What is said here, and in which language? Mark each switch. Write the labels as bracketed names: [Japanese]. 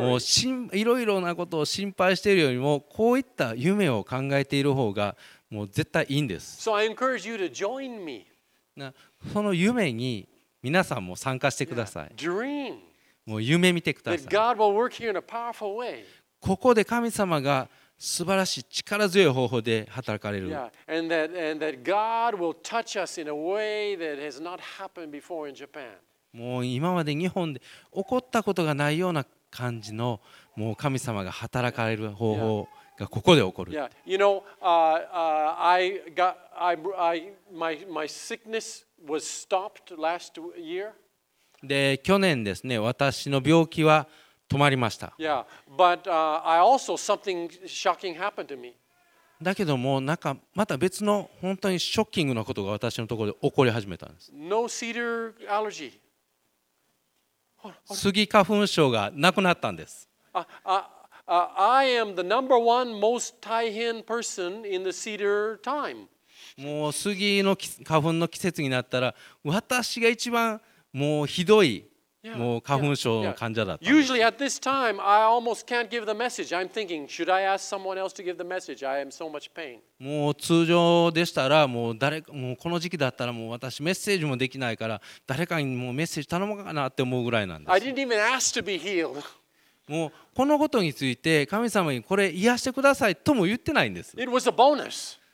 [Japanese] もういろいろなことを心配しているよりもこういった夢を考えている方がもう絶対いいんです。 [English] So I encourage you to join me. [Japanese] その夢に皆さんも参加してください。 [English] Dream. [Japanese] もう夢見てください。 [English] That God will work here in a powerful way. [Japanese] ここで神様が素晴らしい力強い方法で働かれる。もう今まで日本で起こったことがないような感じのもう神様が働かれる方法がここで起こる。 [English] Yeah. You know, my sickness was stopped last year. [Japanese] で去年ですね、私の病気は止まりました。 [English] Yeah, but I also something shocking happened to me. [Japanese] だけどもなんかまた別の本当にショッキングなことが私のところで起こり始めたんです。 [English] No cedar allergy. [Japanese] 杉花粉症がなくなったんです。 [English] I am the number one most Taihen person in the cedar time. [Japanese] もう杉の花粉の季節になったら私が一番もうひどい。 Yeah, もう花粉症の患者だった。 [English] Usually at this time I almost can't give the message. I'm thinking, should I ask someone else to give the message? I am so much pain. [Japanese] もう通常でしたらもう誰かもうこの時期だったらもう私メッセージもできないから誰かにもうメッセージ頼もうかなって思うぐらいなんです。 [English] I didn't even ask to be healed. [Japanese] もうこのことについて神様にこれ癒してくださいとも言ってないんです。 [English] It was a bonus.